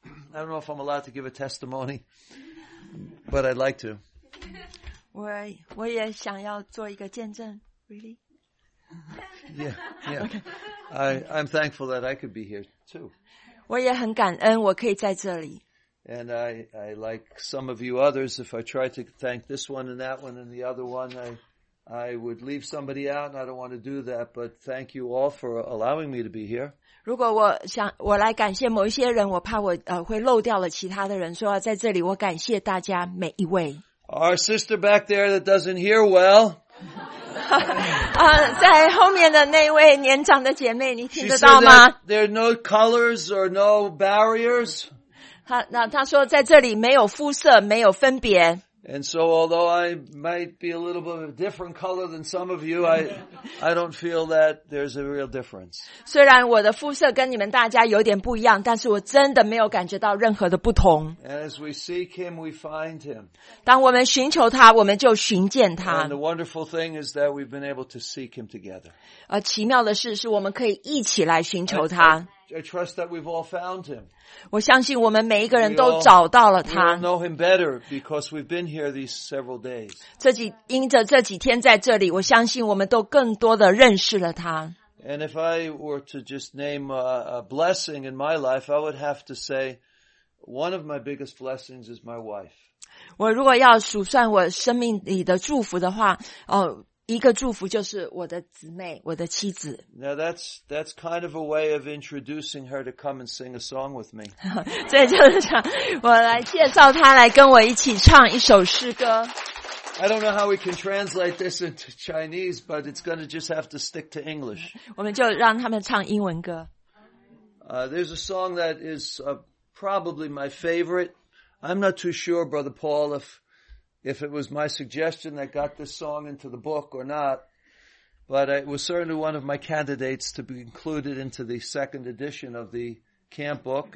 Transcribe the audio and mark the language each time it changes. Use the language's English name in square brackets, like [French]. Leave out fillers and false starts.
[English] I don't know if I'm allowed to give a testimony, but I'd like to. [Chinese] 我也想要做一个见证 ，really。 [English] Yeah, yeah. Okay. I'm thankful that I could be here too. [Chinese] 我也很感恩我可以在这里。 [English] And I like some of you others, if I try to thank this one and that one and the other one, I would leave somebody out, and I don't want to do that, but thank you all for allowing me to be here. [Chinese] 如果我想我来感谢某一些人，我怕我会漏掉了其他的人，所以在这里我感谢大家每一位。 [English] Our sister back there that doesn't hear well. [Chinese] 在后面的那位年长的姐妹，你听得到吗？ [English] There are no colors or no barriers. [Chinese] 她说在这里没有肤色，没有分别。 [English] And so although I might be a little bit of a different color than some of you, I don't feel that there's a real difference. [Chinese] 虽然我的肤色跟你们大家有点不一样，但是我真的没有感觉到任何的不同。 [English] And as we seek him, we find him. [Chinese] 当我们寻求他，我们就寻见他。 [English] And the wonderful thing is that we've been able to seek him together. [Chinese] 奇妙的事是我们可以一起来寻求他。 [English] I trust that we've all found him. [Chinese] 我相信我们每一个人都找到了他。 [English] We all know him better because we've been here these several days. [Chinese] 因着这几天在这里，我相信我们都更多的认识了他。 [English] And if I were to just name a blessing in my life, I would have to say one of my biggest blessings is my wife. [Chinese] 我如果要数算我生命里的祝福的话，一个祝福就是我的姊妹，我的妻子。 [English] Now that's kind of a way of introducing her to come and sing a song with me. [Chinese] 这就是想我来介绍她来跟我一起唱一首诗歌。 [English] I don't know how we can translate this into Chinese, but it's going to just have to stick to English. [Chinese] 我们就让他们唱英文歌。 [English] There's a song that is probably my favorite. I'm not too sure, Brother Paul, if it was my suggestion that got this song into the book or not, but it was certainly one of my candidates to be included into the second edition of the camp book.